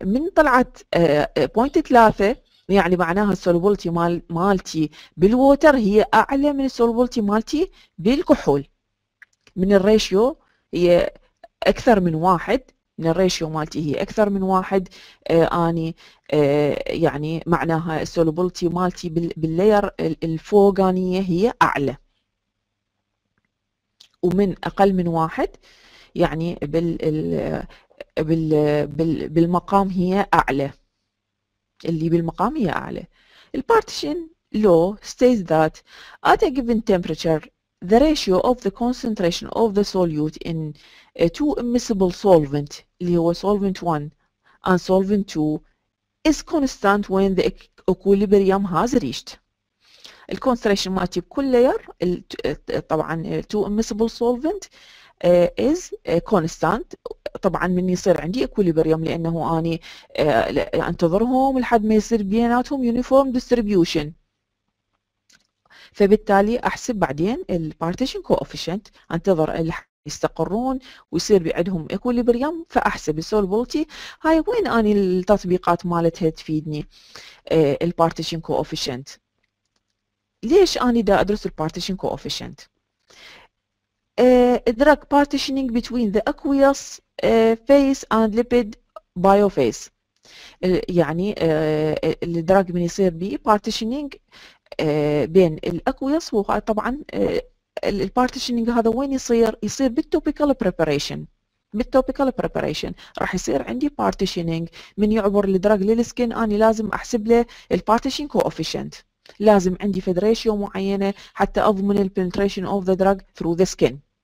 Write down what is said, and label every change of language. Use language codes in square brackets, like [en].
[ar] من طلعت 0.3 يعني معناها السولوبلتي مالتي بالووتر هي اعلى من السولوبلتي مالتي بالكحول، من الريشيو هي اكثر من واحد، من الريشيو مالتي هي اكثر من واحد، اني يعني معناها السولوبلتي مالتي باللاير الفوقانيه هي اعلى، ومن اقل من واحد يعني بال ال بال بال بالمقام هي اعلى، اللي بالمقام هي اعلى. [en] البارتيشن لو ستيز ذات ات ا جيفن تمبرتشر the ratio of the concentration of the solute in two immiscible solvent [ar] اللي هو [en] solvent 1 and solvent 2 is constant when the equilibrium has reached. [ar] ال concentration مالتي بكل layer طبعا [en] two immiscible solvent is constant، [ar] طبعا من يصير عندي equilibrium لانه اني انتظرهم لحد ما يصير بيناتهم uniform distribution، فبالتالي احسب بعدين البارتيشن كوفيشنت، انتظر يستقرون ويصير بعدهم ايكوليبريم فاحسب السولبولتي. هاي وين اني التطبيقات مالتها تفيدني البارتيشن كوفيشنت؟ ليش اني دا ادرس البارتيشن كوفيشنت؟ [en] drug partitioning between the aqueous phase and lipid biophase. [ar] يعني الدراج من يصير بي بارتيشنينج بين الاكويس، وطبعا البارتيشنينج هذا وين يصير؟ يصير بالتوبيكال بريباريشن. بالتوبيكال بريباريشن راح يصير عندي بارتيشنينج، من يعبر الدراج للسكن اني لازم احسب له البارتيشن كوفيشنت، لازم عندي فد ريشيو معينه حتى اضمن البنتريشن اوف ذا دراج ثرو ذا سكن.